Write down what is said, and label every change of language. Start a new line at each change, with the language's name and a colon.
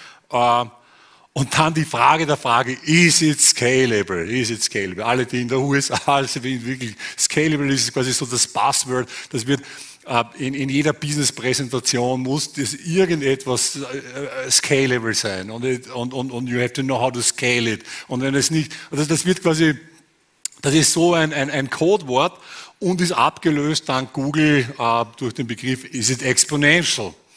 German: Und dann die Frage der Frage,
English: is it scalable? Is it scalable?
German: Alle, die in der USA sind, wirklich scalable ist quasi so das Buzzword. Das wird in jeder Business-Präsentation muss das irgendetwas scalable sein.
English: Und you have to know how to scale it.
German: Und wenn es nicht, also das wird quasi, das ist so ein Codewort und ist abgelöst dank Google durch den Begriff,
English: is it exponential?